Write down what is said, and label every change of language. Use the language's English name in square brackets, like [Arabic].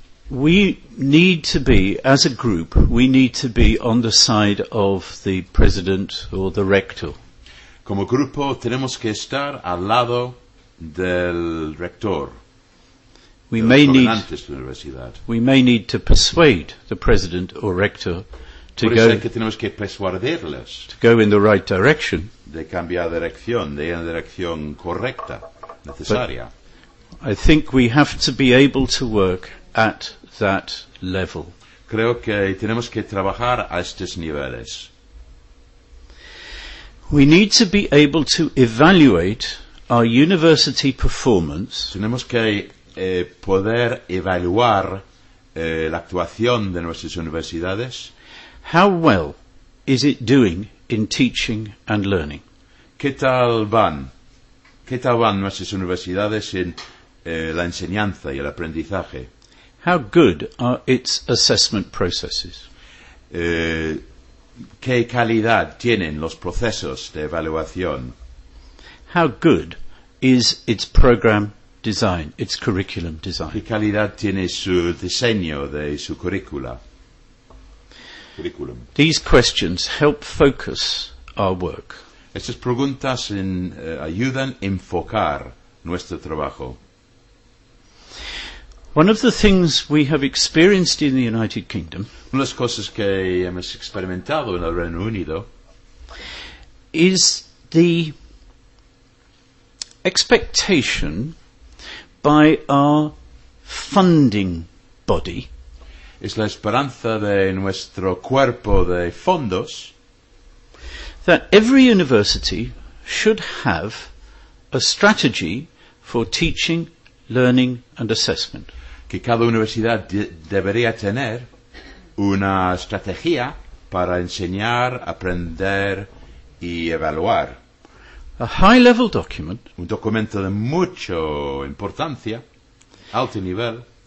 [English] We need to be, as a group, we need to be on the side of the president or the rector. [Spanish] Como grupo tenemos que estar al lado del rector. [English] We may need to persuade the president or rector to go, [Spanish] que tenemos que persuadirles, [English] to go in the right direction. [Spanish] De cambiar dirección, de ir en la dirección correcta, necesaria. [English] I think we have to be able to work at that level. [Spanish] Creo que tenemos que trabajar a estos niveles. [English] We need to be able to evaluate our university performance. [Spanish] Tenemos que poder evaluar la actuación de nuestras universidades. [English] How well is it doing in teaching and learning? [Spanish] ¿Qué tal van nuestras universidades en la enseñanza y el aprendizaje? [English] How good are its assessment processes? [Spanish] ¿Qué calidad tienen los procesos de evaluación? [English] How good is its program design, its curriculum design? [Spanish] ¿Qué calidad tiene su diseño de su currícula? [English] Curriculum. These questions help focus our work. [Spanish] Estas preguntas ayudan a enfocar nuestro trabajo. [English] One of the things we have experienced in the United Kingdom, [Spanish] una de las cosas que hemos experimentado en el Reino Unido, [English] is the expectation by our funding body, [Spanish] es la esperanza de nuestro cuerpo de fondos, [English] that every university should have a strategy for teaching, learning and assessment. [Spanish] Que cada universidad debería tener una estrategia para enseñar, aprender y evaluar. [English] A high level document, [Spanish] un documento de mucha importancia, alto nivel,